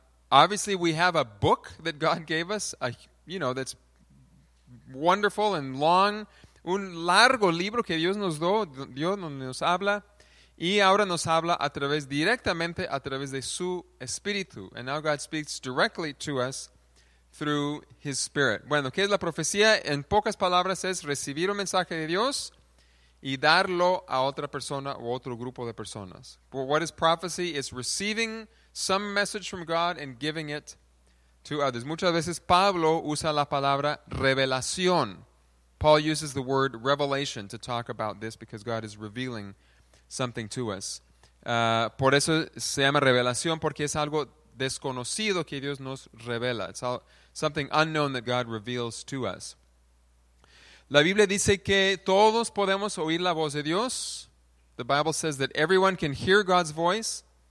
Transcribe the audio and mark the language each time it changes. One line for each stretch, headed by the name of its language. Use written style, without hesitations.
English: Obviously, we have a book that God gave us, that's wonderful and long.
Spanish: Un largo libro que Dios nos dio, Dios nos habla. Y ahora nos habla directamente a través de su Espíritu.
English: And now God speaks directly to us through his Spirit.
Spanish: Bueno, ¿qué es la profecía? En pocas palabras es recibir un mensaje de Dios y darlo a otra persona o otro grupo de personas.
English: But what is prophecy? It's receiving some message from God and giving it to others.
Spanish: Muchas veces Pablo usa la palabra revelación.
English: Paul uses the word revelation to talk about this because God is revealing something to us.
Spanish: Por eso se llama revelación, porque es algo desconocido que Dios nos revela.
English: It's something unknown that God reveals to us.
Spanish: La Biblia dice que todos podemos oír la voz de Dios.
English: The Bible says that everyone can hear God's voice.